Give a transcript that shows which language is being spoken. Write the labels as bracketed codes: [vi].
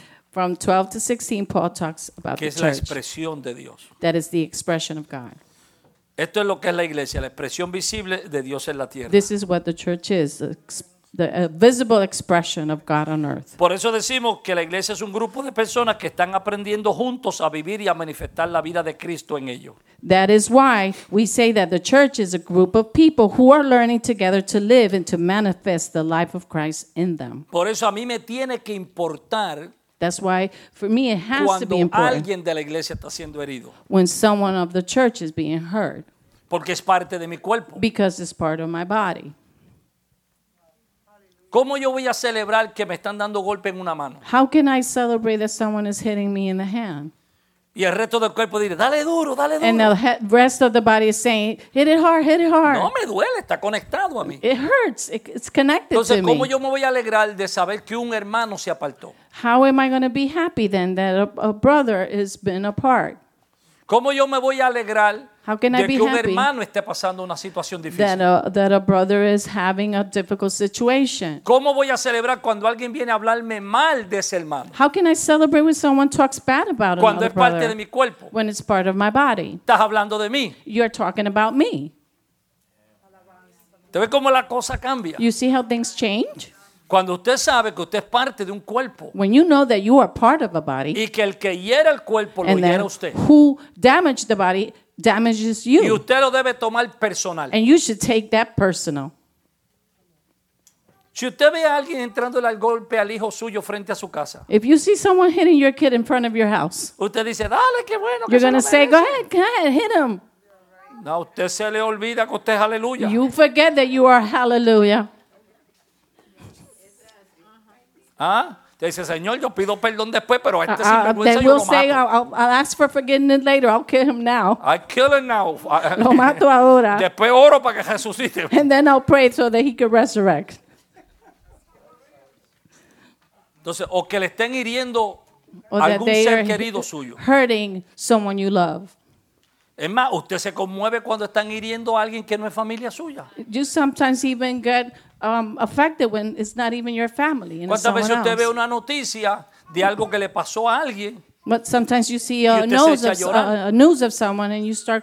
[en] From 12 to 16, Paul talks about the church. [es] Que es la expresión de Dios. [en] That is the expression of God. [es] Esto es lo que es la iglesia, la expresión visible de Dios en la tierra. [en] This is what the church is, the visible expression of God on earth. [es] Por eso decimos que la iglesia es un grupo de personas que están aprendiendo juntos a vivir y a manifestar la vida de Cristo en ellos. [en] That is why we say that the church is a group of people who are learning together to live and to manifest the life of Christ in them. [es] Por eso a mí me tiene que importar. [en] That's why, for me, it has [es] cuando [en] to be important. [es] Alguien de la iglesia está siendo herido. [en] When someone of the church is being hurt. [es] Porque es parte de mi cuerpo. [en] Because it's part of my body. [es] ¿Cómo yo voy a celebrar que me están dando golpe en una mano? [en] How can I celebrate that someone is hitting me in the hand? [es] Y el resto del cuerpo dice, dale duro, dale duro. [en] And the rest of the body is saying, hit it hard, hit it hard. [es] No me duele, está conectado a mí. [en] It hurts, it's connected [es] entonces, [en] to [es] ¿cómo [en] me. [es] Entonces, ¿cómo yo me voy a alegrar de saber que un hermano se apartó? [en] How am I going to be happy then that a brother has been apart? [es] ¿Cómo yo me voy a alegrar [en] how can [es] de [en] I be [es] que un [en] happy [es] hermano esté pasando una situación difícil? [en] That a brother is having a difficult situation. [es] ¿Cómo voy a celebrar cuando alguien viene a hablarme mal de ese hermano? [en] How can I celebrate when someone talks bad about [es] cuando [en] another brother? [es] Cuando es parte de mi cuerpo. [en] When it's part of my body. [es] Estás hablando de mí. [en] You're talking about me. [es] ¿Te ves cómo la cosa cambia? [en] You see how things change? [es] Cuando usted sabe que usted es parte de un cuerpo. [en] When you know that you are part of a body. [es] Y que el que hiera el cuerpo lo hiera usted. [en] Who damaged the body damages you. [es] Y usted lo debe tomar personal. [en] And you should take that personal. [es] Si usted ve a alguien entrándole al golpe al hijo suyo frente a su casa. [en] If you see someone hitting your kid in front of your house. [es] Usted dice, dale, qué bueno. [en] You're going to say, go ahead, hit him. [es] No, usted se le olvida que usted es aleluya. [en] You forget that you are hallelujah. ¿Ah? [es] Te dice, Señor, yo pido perdón después, pero este [en] then we'll [es] yo lo [en] say, [es] mato. [en] I'll ask for forgiveness later. I'll kill him now. I kill him now. [es] Lo mato ahora. Después oro para que resucite. [en] And then I'll pray so that he could resurrect. [es] Entonces, o que le estén hiriendo [en] or [es] algún ser querido suyo. [en] Hurting someone you love. [es] Es más, usted se conmueve cuando están hiriendo a alguien que no es familia suya. [en] You sometimes even get affected when it's not even your family. [es] ¿Cuántas veces usted [en] else [es] ve una noticia de algo que le pasó a alguien? [en] But sometimes you see news of someone and you start